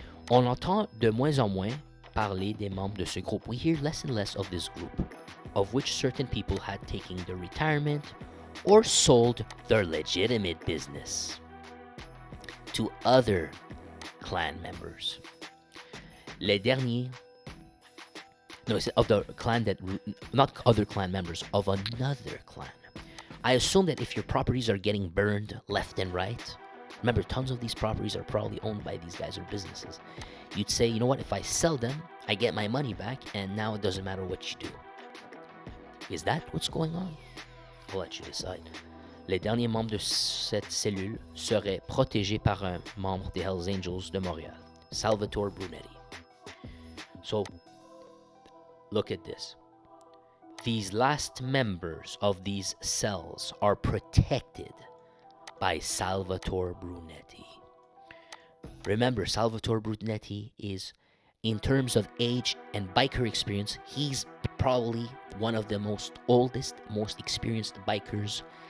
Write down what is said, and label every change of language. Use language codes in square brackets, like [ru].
[fr] On entend de moins en moins parler des membres de ce groupe. [en] We hear less and less of this group, of which certain people had taken their retirement or sold their legitimate business to other clan members. [fr] Les derniers... [en] No, it's of the clan that... Not other clan members, of another clan. I assume that if your properties are getting burned left and right... Remember, tons of these properties are probably owned by these guys or businesses. You'd say, you know what, if I sell them, I get my money back, and now it doesn't matter what you do. Is that what's going on? I'll let you decide. [fr] Les derniers membres de cette cellule seraient protégés par un membre des Hells Angels de Montréal, Salvatore Brunetti. [en] So, look at this. These last members of these cells are protected by Salvatore Brunetti. Remember, Salvatore Brunetti is, in terms of age and biker experience, he's probably one of the most oldest, most experienced bikers.